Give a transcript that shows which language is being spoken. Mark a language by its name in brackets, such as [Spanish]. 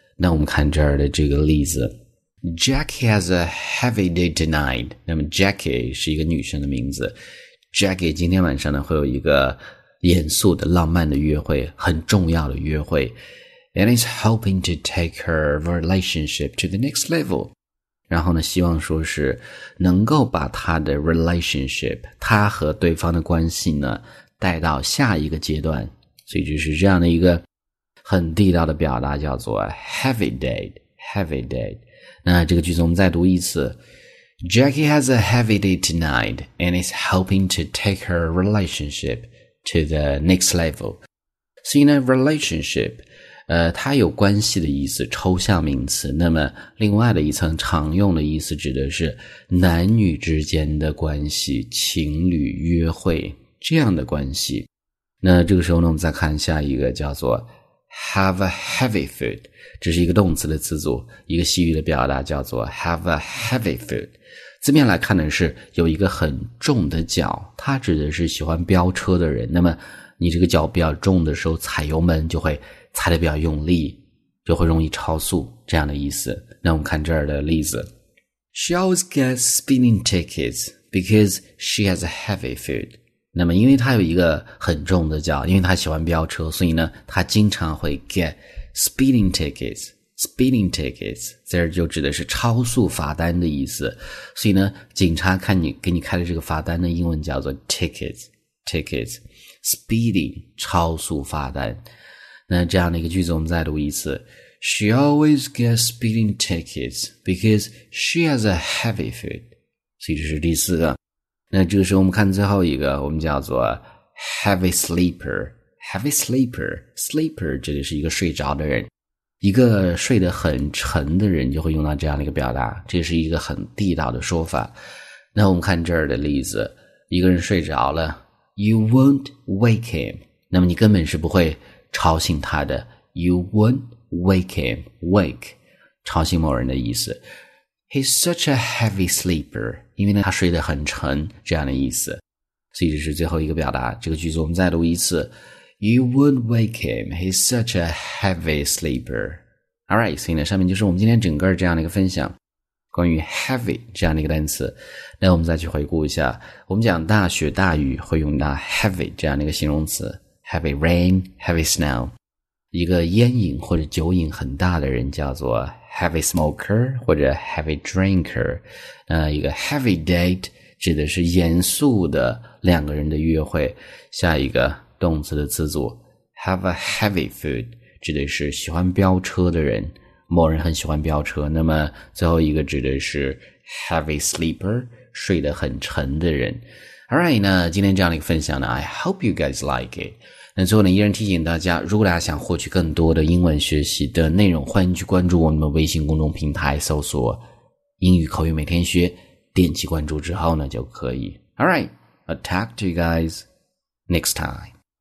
[Chinese] 那我们看这儿的这个例子， [English] Jackie has a heavy day tonight， [Chinese] 那么 Jackie 是一个女生的名字， Jackie 今天晚上呢会有一个严肃的浪漫的约会，很重要的约会， [English] And is hoping to take her relationship to the next level. [Chinese] 然后呢，希望说是能够把她的 relationship， 她和对方的关系呢，带到下一个阶段。所以就是这样的一个很地道的表达，叫做 heavy date， heavy date。那这个句子我们再读一次 [English] ：Jackie has a heavy date tonight, and is hoping to take her relationship to the next level. So in a relationship. [Chinese] 它有关系的意思，抽象名词。那么另外的一层常用的意思指的是男女之间的关系，情侣约会这样的关系。那这个时候呢，我们再看下一个，叫做 have a heavy foot， 这是一个动词的词组，一个西语的表达，叫做 have a heavy foot。字面来看呢，是有一个很重的脚，它指的是喜欢飙车的人。那么你这个脚比较重的时候，踩油门就会踩得比较用力，就会容易超速，这样的意思。那我们看这儿的例子 [English] ，She always gets speeding tickets because she has a heavy foot。 [Chinese] 那么，因为她有一个很重的脚，因为她喜欢飙车，所以呢，她经常会 [English] get speeding tickets。 [Chinese] Speeding tickets， 在这就指的是超速罚单的意思。所以呢，警察看你给你开的这个罚单的英文叫做 tickets。 Tickets， speeding， 超速罚单。那这样的一个句子我们再读一次 [English] She always gets speeding tickets because she has a heavy foot。 [Chinese] 所以这是第四个。那这个时候我们看最后一个，我们叫做 heavy sleeper。 heavy sleeper， sleeper 这里是一个睡着的人，一个睡得很沉的人，就会用到这样的一个表达，这是一个很地道的说法。那我们看这儿的例子，一个人睡着了， [English] You won't wake him， [Chinese] 那么你根本是不会吵醒他的， You won't wake him. Wake， 吵醒某人的意思。 [English] He's such a heavy sleeper， [Chinese] 因为呢他睡得很沉，这样的意思。所以这是最后一个表达，这个句子我们再读一次。 [English] You won't wake him. He's such a heavy sleeper. All right, [Chinese] 所以呢，上面就是我们今天整个这样的一个分享，关于 heavy 这样的一个单词。那我们再去回顾一下，我们讲大雪大雨会用到 heavy 这样的一个形容词， heavy rain, heavy snow。一个烟瘾或者酒瘾很大的人叫做 heavy smoker 或者 heavy drinker。一个 heavy date 指的是严肃的两个人的约会。下一个动词的词组 have a heavy food 指的是喜欢飙车的人，某人很喜欢飙车。那么最后一个指的是 heavy sleeper 睡得很沉的人。 [English] Alright, [Chinese] 那今天这样的一个分享呢， [English] I hope you guys like it。 [Chinese] 那最后呢，依然提醒大家，如果大家想获取更多的英文学习的内容，欢迎去关注我们的微信公众平台，搜索英语口语每天学，点击关注之后呢就可以。 [English] Alright, I'll talk to you guys next time.